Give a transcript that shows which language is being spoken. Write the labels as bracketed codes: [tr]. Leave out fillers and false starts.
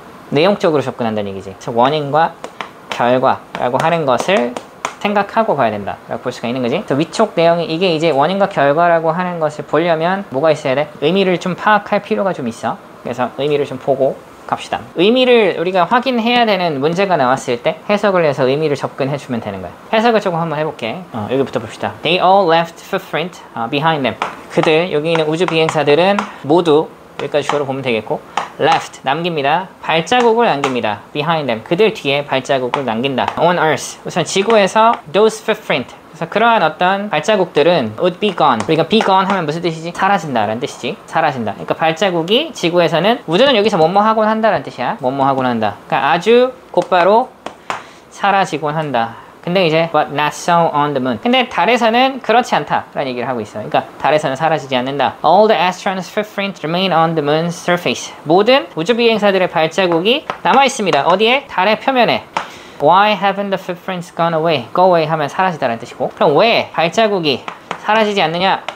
[ko] 내용적으로 접근한다는 얘기지. 그래서 원인과 결과라고 하는 것을 생각하고 봐야 된다 라고 볼 수가 있는 거지. 그래서 위쪽 내용이 이게 이제 원인과 결과라고 하는 것을 보려면 뭐가 있어야 돼? 의미를 좀 파악할 필요가 좀 있어. 그래서 의미를 좀 보고 갑시다. 의미를 우리가 확인해야 되는 문제가 나왔을 때 해석을 해서 의미를 접근해 주면 되는 거야. 해석을 조금 한번 해볼게. 여기부터 봅시다. [en] They all left footprint behind them. [ko] 그들 여기 있는 우주 비행사들은 모두 여기까지 주어로 보면 되겠고 left 남깁니다. 발자국을 남깁니다. [en] behind them [ko] 그들 뒤에 발자국을 남긴다. [en] on earth [ko] 우선 지구에서 [en] those footprint [ko] 그래서 그러한 어떤 발자국들은 [en] would be gone. [ko] 우리가 be gone 하면 무슨 뜻이지? 사라진다라는 뜻이지. 사라진다. 그러니까 발자국이 지구에서는 우주는 여기서 뭐뭐 하곤 한다라는 뜻이야. 뭐뭐 하곤 한다. 그러니까 아주 곧바로 사라지곤 한다. 근데 이제 [en] but not so on the moon. [ko] 근데 달에서는 그렇지 않다라는 얘기를 하고 있어. 그러니까 달에서는 사라지지 않는다. [en] All the astronauts' footprints remain on the moon's surface. [ko] 모든 우주 비행사들의 발자국이 남아 있습니다. 어디에? 달의 표면에. [en] Why haven't the footprints gone away? [ko] Go away 하면 사라지다라는 뜻이고 그럼 왜 발자국이 사라지지 않느냐?